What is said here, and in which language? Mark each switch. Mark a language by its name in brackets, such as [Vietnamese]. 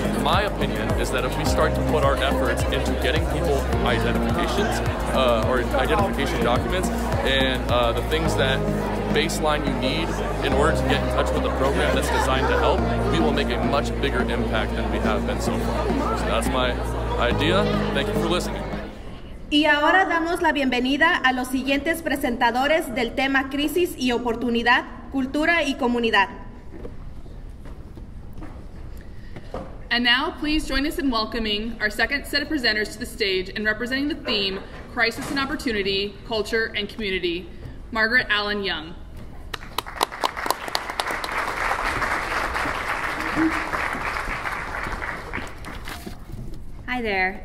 [English] My opinion is that if we start to put our efforts into getting people identifications or identification documents and the things that baseline you need in order to get in touch with a program that's designed to help, we will make a much bigger impact than we have been so far. So that's my idea. Thank you for listening. [Spanish] Y ahora damos la bienvenida a los siguientes presentadores del tema Crisis y Oportunidad, Cultura y Comunidad. [English] And now, please join us in welcoming our second set of presenters to the stage and representing the theme, Crisis and Opportunity, Culture and Community, Margaret Allen Young. Hi there.